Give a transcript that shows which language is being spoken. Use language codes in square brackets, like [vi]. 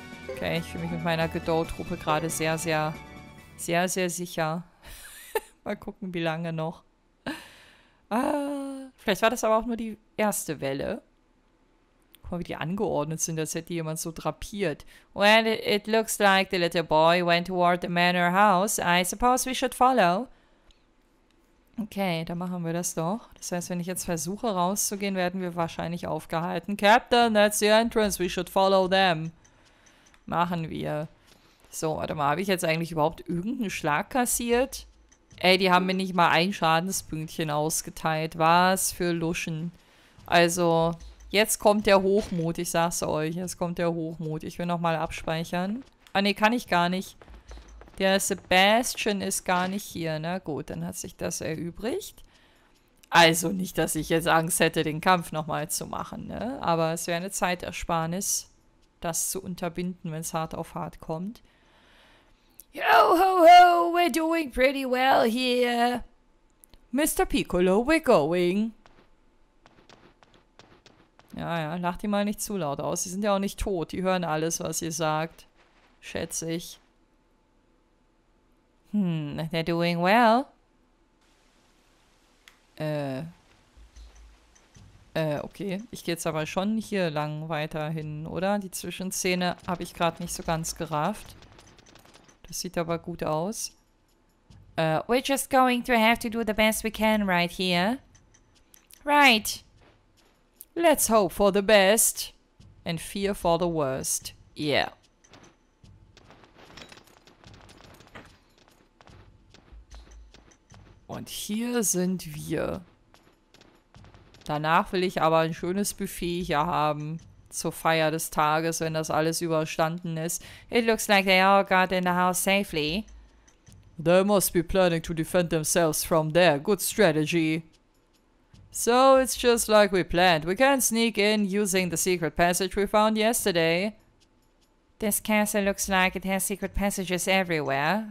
[de] Okay, ich fühle mich mit meiner Gedow-Truppe gerade sehr, sehr, sehr, sehr sicher. Mal gucken, wie lange noch. Vielleicht war das aber auch nur die erste Welle. Guck mal, wie die angeordnet sind, als hätte jemand so drapiert. [en] Well, it looks like the little boy went toward the manor house. I suppose we should follow. [de] Okay, dann machen wir das doch. Das heißt, wenn ich jetzt versuche rauszugehen, werden wir wahrscheinlich aufgehalten. [en] Captain, that's the entrance. We should follow them. [de] Machen wir. So, warte mal, habe ich jetzt eigentlich überhaupt irgendeinen Schlag kassiert? Ey, die haben mir nicht mal ein Schadenspünktchen ausgeteilt. Was für Luschen. Also, jetzt kommt der Hochmut, ich sag's euch. Jetzt kommt der Hochmut. Ich will nochmal abspeichern. Ah, nee, kann ich gar nicht. Der Sebastian ist gar nicht hier. Na gut, dann hat sich das erübrigt. Also nicht, dass ich jetzt Angst hätte, den Kampf nochmal zu machen, ne? Aber es wäre eine Zeitersparnis, das zu unterbinden, wenn es hart auf hart kommt. [en] Yo, ho, ho, we're doing pretty well here. Mr. Piccolo, we're going. [de] Ja, ja, lacht die mal nicht zu laut aus. Sie sind ja auch nicht tot. Die hören alles, was ihr sagt. Schätze ich. [en] They're doing well. Okay. [de] Ich gehe jetzt aber schon hier lang weiterhin, oder? Die Zwischenszene habe ich gerade nicht so ganz gerafft. Das sieht aber gut aus. [en] We're just going to have to do the best we can right here. Right. Let's hope for the best and fear for the worst. Yeah. [de] Und hier sind wir. Danach will ich aber ein schönes Buffet hier haben. Zur Feier des Tages, wenn das alles überstanden ist. [en] It looks like they all got in the house safely. They must be planning to defend themselves from there. Good strategy. So it's just like we planned. We can sneak in using the secret passage we found yesterday. This castle looks like it has secret passages everywhere.